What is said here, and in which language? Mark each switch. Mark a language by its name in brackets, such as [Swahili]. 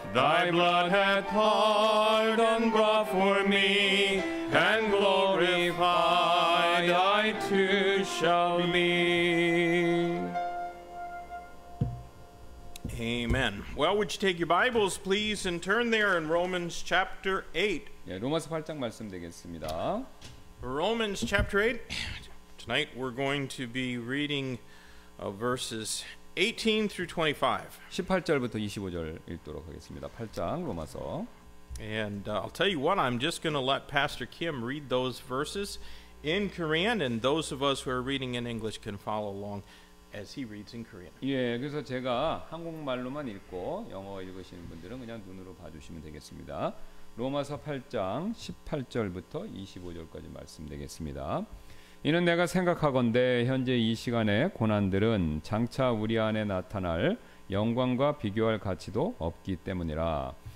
[English] Thy blood hath pardoned brought for me, and glorified I too shall be. Amen. Well, would you take your Bibles, please, and turn there in Romans chapter 8. [Korean] 예, 로마서 8장 말씀 되겠습니다. [English] Romans chapter 8. Tonight we're going to be reading verses 18 through 25. [Korean] 18절부터 25절 읽도록 하겠습니다. 8장 로마서. [English] And I'll tell you what, I'm just going to let Pastor Kim read those verses in Korean, and those of us who are reading in English can follow along. As he reads in Korean. [Korean] 예, 그래서 제가 한국말로만 읽고 영어 읽으시는 분들은 그냥 눈으로 봐주시면 되겠습니다. 로마서 8장 18절부터 25절까지 말씀드리겠습니다. 이는 내가 생각하건대 현재 이 시간의 고난들은 장차 우리 안에 나타날 영광과 비교할 가치도 없기 때문이라.